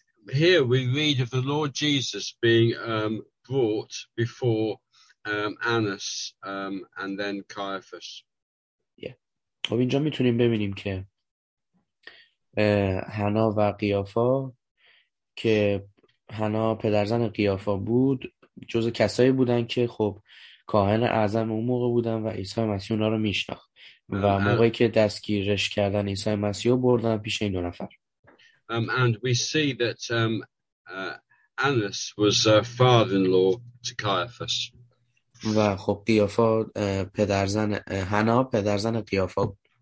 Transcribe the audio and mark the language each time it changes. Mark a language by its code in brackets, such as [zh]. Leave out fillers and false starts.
[en] Here we read of the Lord Jesus being brought before Annas and then Caiaphas. Yeah. [fa] خب اینجا میتونیم ببینیم که حنا و قیافا که حنا پدرزن قیافا بود جزء کسایی بودن که خب کاهن اعظم اون موقع بودن و عیسی مسیح اونا رو میشناخت و موقعی که دستگیرش کردن عیسی مسیح رو بردن پیش این دو نفر. [en] And we see that Annas was father-in-law to Caiaphas. [fa] و خب قیافا پدرزن حنا پدرزن قیافا.